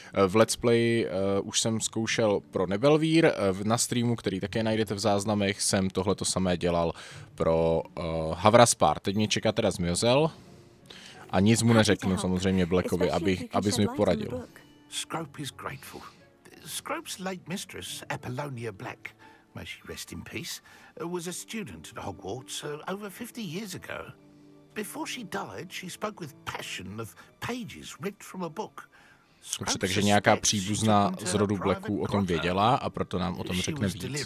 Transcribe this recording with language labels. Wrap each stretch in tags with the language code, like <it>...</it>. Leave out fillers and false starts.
<cs>V Let's Play už jsem zkoušel pro Nebelvír, na streamu, který také najdete v záznamech, jsem tohle to samé dělal pro Havraspar. Teď mě čeká teda Zmiozel a nic mu neřeknu samozřejmě Blackovi, aby mi poradil.</cs> <en>Scroope is grateful. Scroope's late mistress, Apollonia Black, may she rest in peace, was a student at Hogwarts over 50 years ago. Before she died, she spoke with passion of pages ripped from a book.</en> <cs>Dobře, takže nějaká příbuzná z rodu Blacků o tom věděla a proto nám o tom řekne víc.</cs>